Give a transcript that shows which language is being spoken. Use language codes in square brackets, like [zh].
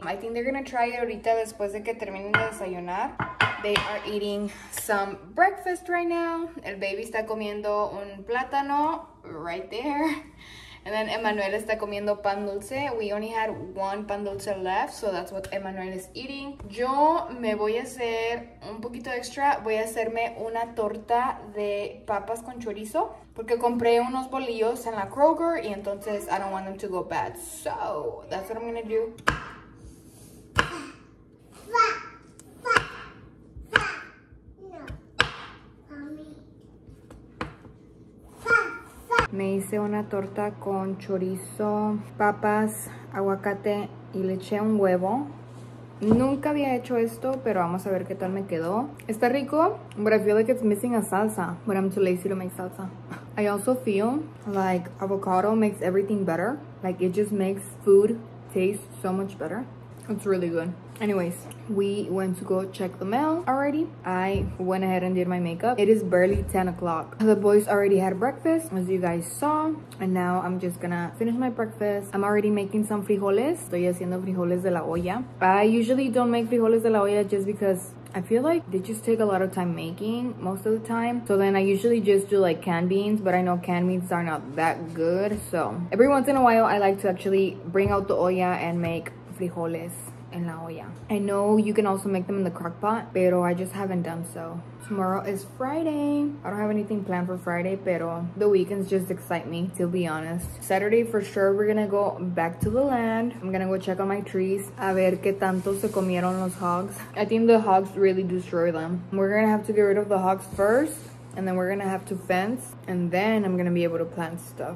[en] I think they're going to try it [es] ahorita después de que terminen de desayunar. [en] They are eating some breakfast right now. [es] El baby está comiendo un plátano [en] right there. And then [es] Emmanuel está comiendo pan dulce. [en] We only had one pan dulce left, so that's what Emmanuel is eating. [es] Yo me voy a hacer un poquito extra. Voy a hacerme una torta de papas con chorizo. Porque compré unos bolillos en la Kroger y entonces [en] I don't want them to go bad. So, that's what I'm gonna do. Fa. No. Mommy. [es] Me hice una torta con chorizo, papas, aguacate y le eché un huevo. Nunca había hecho esto, pero vamos a ver qué tal me quedó. Está rico, [en] but I feel like it's missing a salsa. But I'm too lazy to make salsa. I also feel like avocado makes everything better. Like it just makes food taste so much better. It's really good. Anyways, we went to go check the mail already. I went ahead and did my makeup. It is barely 10 o'clock. The boys already had breakfast, as you guys saw. And now I'm just gonna finish my breakfast. I'm already making some frijoles. [es] Estoy haciendo frijoles de la olla. [en] I usually don't make frijoles de la olla just because I feel like they just take a lot of time making most of the time. So then I usually just do like canned beans, but I know canned beans are not that good. So every once in a while, I like to actually bring out the olla and make frijoles. [es] En la olla. [en] I know you can also make them in the crock pot, pero I just haven't done so. Tomorrow is Friday. I don't have anything planned for Friday, pero the weekends just excite me, to be honest. Saturday, for sure, we're gonna go back to the land. I'm gonna go check on my trees. [es] A ver qué tanto se comieron los hogs. [en] I think the hogs really destroy them. We're gonna have to get rid of the hogs first, and then we're gonna have to fence, and then I'm gonna be able to plant stuff.